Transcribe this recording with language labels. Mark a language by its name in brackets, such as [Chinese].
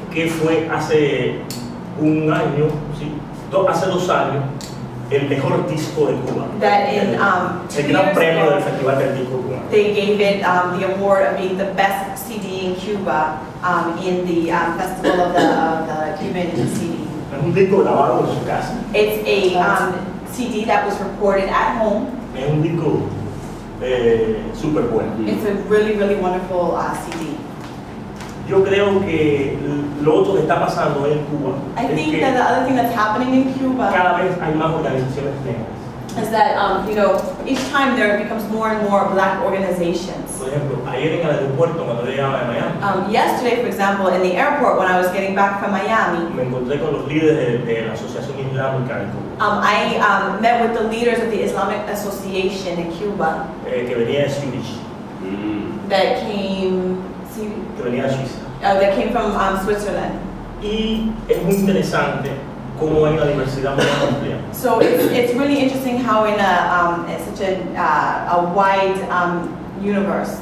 [Spanish] Que fue hace un año, sí, hace dos años, el mejor disco de Cuba. [English] That in [Spanish] el gran premio del Festival del Disco Cubano. [English] They gave it the award of being the best CD in Cuba. In the festival of the Cuban CD. [Spanish] Es un disco grabado en su casa. [English] It's a CD that was recorded at home. [Spanish] Es un disco super bueno. [English] It's a really, really wonderful CD. [Spanish] Yo creo que lo otro que está pasando en Cuba. [English] I think that the other thing that's happening in Cuba. [Spanish] Cada vez hay más organizaciones negras. [English] Is that you know, each time there becomes more and more black organizations. [Spanish] Ayer en el aeropuerto cuando llegaba de Miami. [English] Yesterday, for example, in the airport when I was getting back from Miami. [Spanish] Me encontré con los líderes de la Asociación Islámica en Cuba. [English] I met with the leaders of the Islamic Association in Cuba. [Spanish] Que venía de Zurich. [English] That came from Switzerland. [Spanish] Y es muy interesante cómo ven la diversidad más amplia. [English] So it's really interesting how in a such a wide universe.